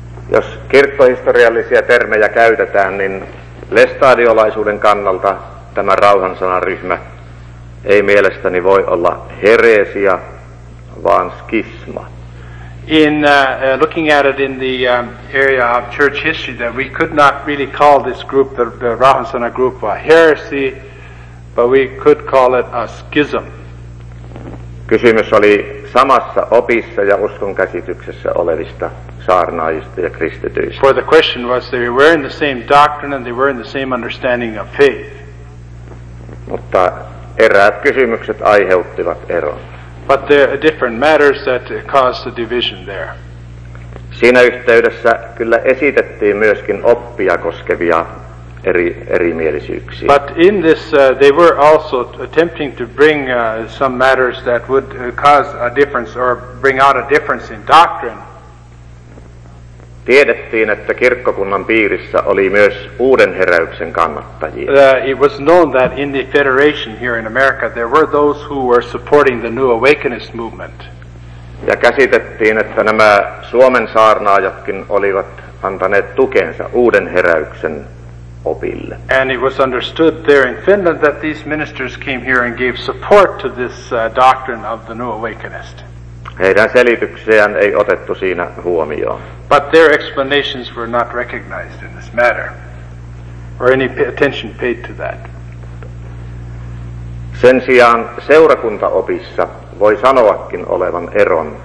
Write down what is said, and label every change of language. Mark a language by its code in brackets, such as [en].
[fi] Jos kirkkohistoriallisia termejä käytetään, niin lestadiolaisuuden kannalta tämä Rauhan sanan ryhmä ei mielestäni voi olla heresia, vaan skisma. [en] In looking at it in the area of church history, that we could not really call this group, the Rauhan Sana group, a heresy, but we could call it a schism. [fi] Kysymys oli samassa opissa ja uskon käsityksessä olevista saarnaajista ja kristityistä. [en] For the question was, they were in the same doctrine and they were in the same understanding of faith. [fi] Mutta eräät kysymykset aiheuttivat eron. [en] But there are different matters that caused the division there. [fi] Siinä yhteydessä kyllä esitettiin myöskin oppia koskevia erimielisyyksiä. [en] But in this they were also attempting to bring some matters that would cause a difference or bring out a difference in doctrine. [fi] Tiedettiin, että kirkkokunnan piirissä oli myös uuden heräyksen kannattajia. [en] It was known that in the Federation here in America there were those who were supporting the New Awakenist movement. [fi] Ja käsitettiin, että nämä Suomen saarnaajatkin olivat antaneet tukensa uuden heräyksen opille. [en] And it was understood there in Finland that these ministers came here and gave support to this doctrine of the New Awakenist. [fi] Heidän selityksiään ei otettu siinä huomioon. [en] But their explanations were not recognized in this matter, or any attention paid to that. [fi] Sen sijaan seurakuntaopissa voi sanoakin olevan eron.